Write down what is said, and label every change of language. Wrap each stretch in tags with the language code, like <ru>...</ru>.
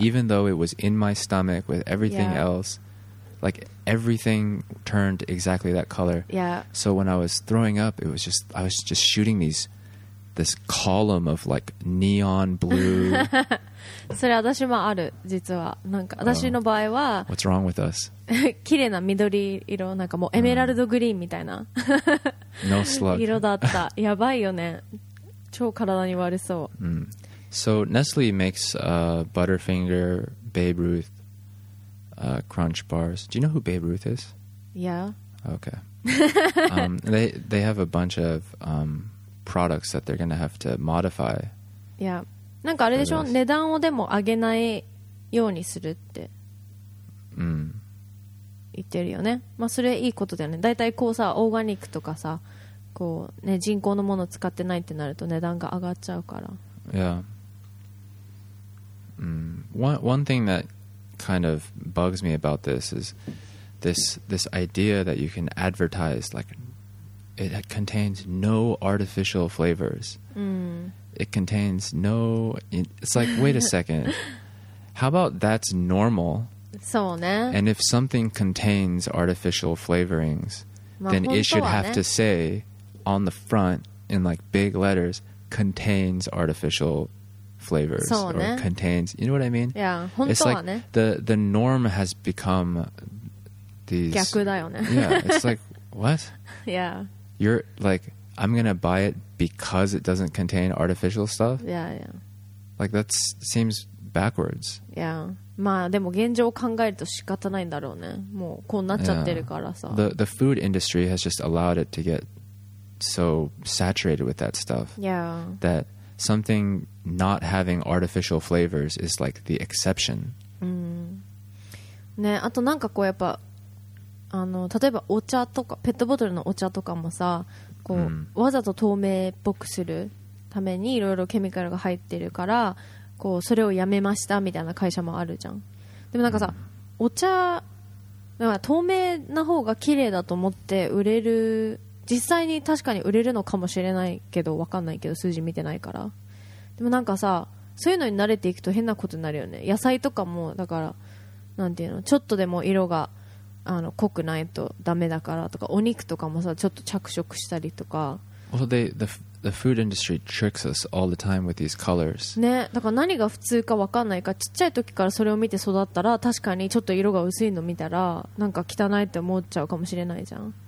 <en>Even though it was in my stomach with everything else, like everything turned exactly that color. Yeah. So when I was throwing up, it was just, I was just shooting this column of like neon blue.</en> <ja>それ私もある、実は。なんか私の場合は、</ja> <en>What's wrong with us?</en> <ja>綺麗な緑色、なんかもうエメラルドグリーンみたいな、</ja> <en>No slug.</en> <ja>色だった。やばいよね。超体に悪そう。</ja> <en>Mm. So Nestle makes Butterfinger, Babe Ruth, Crunch Bars. Do you know who Babe Ruth is? Yeah. Okay. they have a bunch of products that they're going to have to modify. Yeah.</en> <ja>なんかあれでしょ、値段をでも上げないようにするって言ってるよね、うん、まあ、それいいことだよね。だいたいこうさ、オーガニックとかさ、こう、ね、人工のものを使ってないってなると値段が上がっちゃうから。</ja> <en>Yeah、one thing that kind of bugs me about this is this idea that you can advertise like it contains no artificial flavors、</en> <ja>うん、</ja> <en>it contains no, it's like wait a second how about that's normal、</en> <ja>そうね、</ja> <en>and if something contains artificial flavorings、まあ、then it should、ね、have to say on the front in like big letters contains artificial flavors、</en> <ja>ね、</ja> <en>or contains, you know what I mean?</en> <ja>Yeah, 本当はね、</ja> <en>it's like the norm has become these,</en> <ja>逆だよね。</ja> <en>Yeah, it's like what? Yeah, you're likeI'm gonna buy it because it doesn't contain artificial stuff? Yeah, yeah. Like, that seems backwards. Yeah.</en> <ja>まあ、でも現状を考えると仕方ないんだろうね。もうこうなっちゃってるからさ。</ja> <en>Yeah. The food industry has just allowed it to get so saturated with that stuff. Yeah. That something not having artificial flavors is like the exception.</en> <ja>うん。ね、あとなんかこうやっぱ、あの、例えばお茶とか、ペットボトルのお茶とかもさ、こう、mm. わざと透明っぽくするためにいろいろケミカルが入ってるから、こうそれをやめましたみたいな会社もあるじゃん。でもなんかさ、お茶なんか透明な方が綺麗だと思って売れる、実際に確かに売れるのかもしれないけど、わかんないけど数字見てないから。でもなんかさ、そういうのに慣れていくと変なことになるよね。野菜とかもだから、なんていうの、ちょっとでも色があの濃くないとダメだからとか、お肉とかもさ、ちょっと着色したりとか。</ja> <en>Well, the food industry tricks us all the time with these colors.</en> <ja>ね、だから何が普通か分かんないか、ちっちゃい時からそれを見て育ったら、確かにちょっと色が薄いの見たらなんか汚いって思っちゃうかもしれないじゃん。</ja>